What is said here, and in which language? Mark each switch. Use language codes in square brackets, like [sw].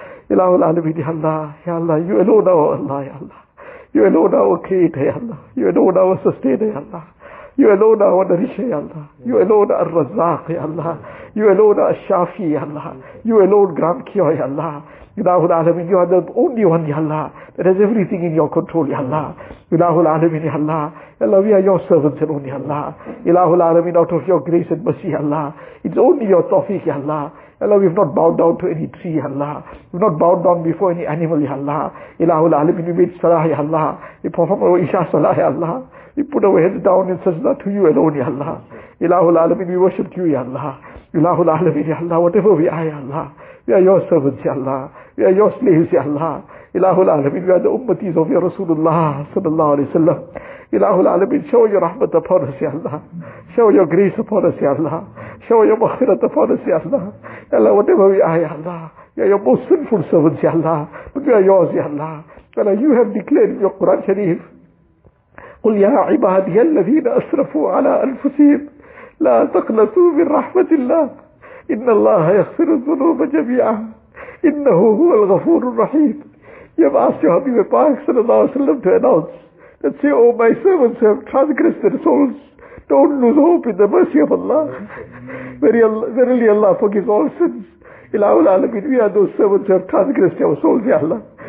[ar] إله العالمين يا الله [en] يا الله You alone our Allah يا الله You alone our creator يا الله You alone our sustainer يا الله You alone our nourisher يا الله You alone our الرزاق يا الله You alone our الشافي يا الله You alone grant cure يا الله إله العالمين You are the only one يا الله That has everything in your control يا الله إله العالمين يا الله Allah, we are your servants and only Allah. Ilahul Alameen, out of your grace and mercy, Allah. It's only your tawfiq, Allah. Allah, we've not bowed down to any tree, Allah. We've not bowed down before any animal, Allah. Ilahul Alameen, we made salah, Allah. We perform our Isha salah, Allah. We put our heads down in sajda to you alone, Allah. Ilahul Alameen, we worship you, Allah. Ilahul Alameen, Allah. Whatever we are, Allah. We are your servants, Allah. We are your slaves, Allah. Ilahul Alameen, we are the ummatis of your Rasulullah, sallallahu alayhi wa sallam. Ilahul Alameen, show your rahmat upon us, Ya Allah. Show your grace upon us, Ya Allah. Show your maghfirat upon us, Ya Allah. Ya Allah, whatever we are, Ya Allah. We are your most sinful servants, Ya Allah. But we are yours, Ya Allah. Ya Allah, you have declared in your Quran Sharif, [ar] قل يا عبادي الذين أسرفوا على أنفسهم لا تقنطوا من رحمة الله إن الله يغفر الذنوب جميعا إنه هو الغفور الرحيم. [en] You have asked your Habib Pak sallallahu alayhi wa sallam to announce that, say, oh, my servants have transgressed their souls, don't lose hope in the mercy of Allah. Verily Allah forgives all sins. Ilahul Alameen, we are those servants who have transgressed our souls, Ya Allah.